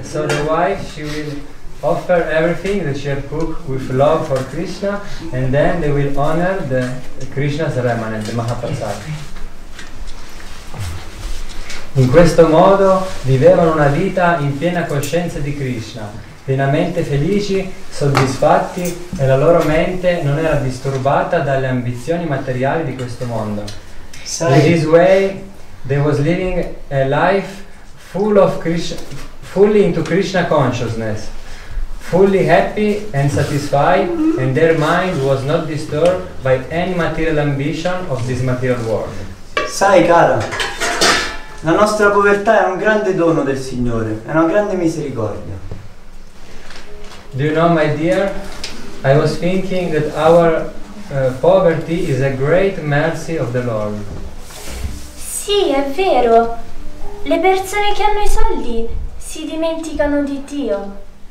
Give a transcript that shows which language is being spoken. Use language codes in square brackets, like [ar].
[en] So the wife, she will offer everything that she has cooked with love for Krishna, and then they will honor the Krishna's remnant, the Mahaprasada. [it] In questo modo vivevano una vita in piena coscienza di Krishna, pienamente felici, soddisfatti, e la loro mente non era disturbata dalle ambizioni materiali di questo mondo. [en] In this way they was living a life full of Krishna, fully into Krishna consciousness. Fully happy and satisfied, and their mind was not disturbed by any material ambition of this material world. [it] Sai, cara, la nostra povertà è un grande dono del Signore, è una grande misericordia. [en] Do you know, my dear, I was thinking that our poverty is a great mercy of the Lord. [it] Sì, è vero. Le persone che hanno i soldi si dimenticano di Dio.